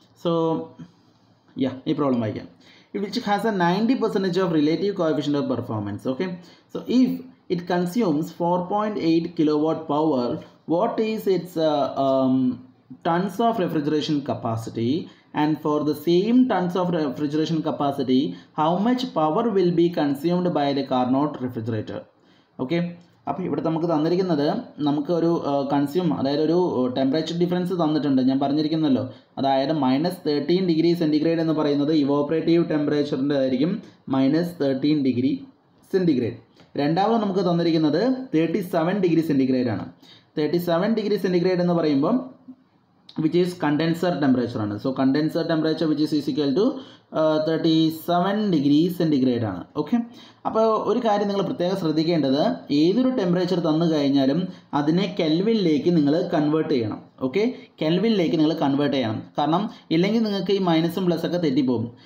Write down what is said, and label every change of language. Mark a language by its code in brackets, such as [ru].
[en] so yeah, [ml] ഈ problem വായിക്കാം. [en] Which has a 90% of relative coefficient of performance. Okay, so if it consumes 4.8 kW power, what is its tons of refrigeration capacity? And for the same tons of refrigeration capacity, how much power will be consumed by the Carnot refrigerator? [ml] Okay, appo ivada namaku thannirikkunnathu namaku oru consume, adayathu oru temperature difference thannittundu njan parnjirikkunnallo, adayathu -13°C ennu parayunnathu evaporative temperature inde irikkum -13°C. രണ്ടാമത് നമുക്ക് തന്നിരിക്കുന്നത് 37°C ആണ്. 37°C എന്ന് പറയുമ്പം [en] which is condenser temperature [ml] ആണ്. [en] So condenser temperature which is equal to 37°C ആണ്. [ml] Okay, അപ്പോൾ ഒരു കാര്യം നിങ്ങൾ പ്രത്യേകം ശ്രദ്ധിക്കേണ്ടത് ഏതൊരു ടെമ്പറേച്ചർ തന്നു കഴിഞ്ഞാലും അതിനെ കെൽവിനിലേക്ക് നിങ്ങൾ കൺവേർട്ട് ചെയ്യണം. ഓക്കെ, കെൽവിനിലേക്ക് നിങ്ങൾ കൺവേർട്ട് ചെയ്യണം, കാരണം ഇല്ലെങ്കിൽ നിങ്ങൾക്ക് ഈ മൈനസും പ്ലസ്സൊക്കെ തെറ്റിപ്പോകും.